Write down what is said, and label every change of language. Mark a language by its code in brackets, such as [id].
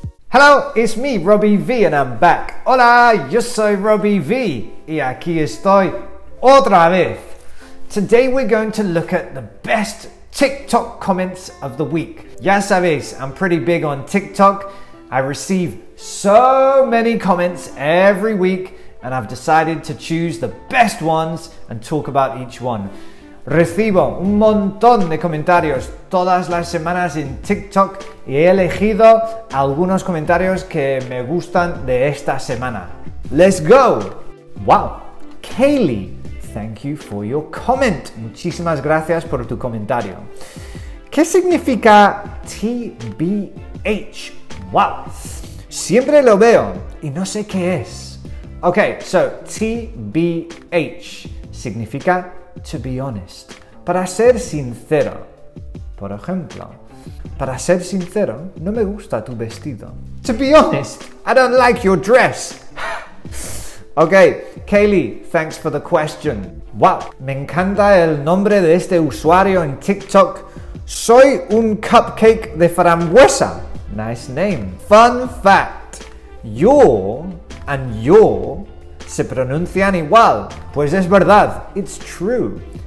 [en] Hello, it's me, Robbie V, and I'm back. [es] Hola, yo soy Robbie V, y aquí estoy otra vez. [en] Today we're going to look at the best TikTok comments of the week. [es] Ya sabes, [en] I'm pretty big on TikTok. I receive so many comments every week, and I've decided to choose the best ones and talk about each one. [es] Recibo un montón de comentarios todas las semanas en TikTok y he elegido algunos comentarios que me gustan de esta semana. [en] ¡Let's go! ¡Wow! Kaylee, thank you for your comment. [es] Muchísimas gracias por tu comentario. ¿Qué significa TBH? ¡Wow! Siempre lo veo y no sé qué es. [en] Ok, so [es] TBH significa [en] to be honest, [es] para ser sincero. Por ejemplo, para ser sincero, no me gusta tu vestido. [en] To be honest, I don't like your dress. Okay, Kaylee, thanks for the question. [es] Wow, me encanta el nombre de este usuario en TikTok. Soy un cupcake de frambuesa. [en] Nice name. Fun fact, your and your [es] se pronuncian igual. Pues es verdad. [en] It's true.